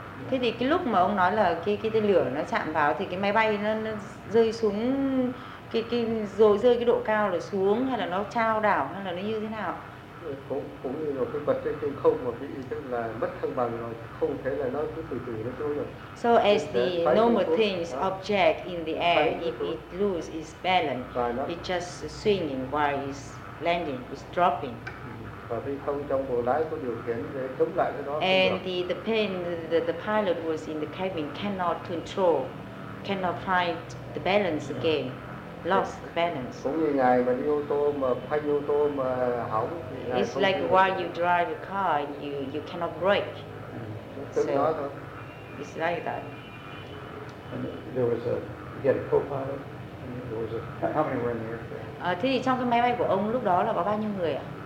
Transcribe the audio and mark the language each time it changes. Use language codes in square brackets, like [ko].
[vi] Thế thì cái lúc mà ông nói là cái tên lửa nó chạm vào thì cái máy bay nó rơi xuống. Cái rồi rơi cái độ cao rồi xuống hay là nó chao đảo hay là nó như thế nào? Cũng như là cái bật trên không mà bị tức là mất thăng bằng rồi, không thể là nó cứ từ từ nó trôi được. [en] So as the normal things object in the air, if it lose its balance, it just swinging while it's landing, it's dropping. [vi] Và phi công trong bộ lái có điều khiển để chống lại cái đó. [en] And the plane, the pilot was in the cabin cannot control, cannot find the balance again. Lost balance. [vi] Cũng như ngày mà đi ô tô mà phanh ô tô mà hỏng. [en] It's like while you drive a car, you cannot brake. So it's like that. And there was he had a co-pilot. And there was how many were in the aircraft? [vi] Thế thì trong cái máy bay của ông lúc đó là có bao nhiêu người ạ?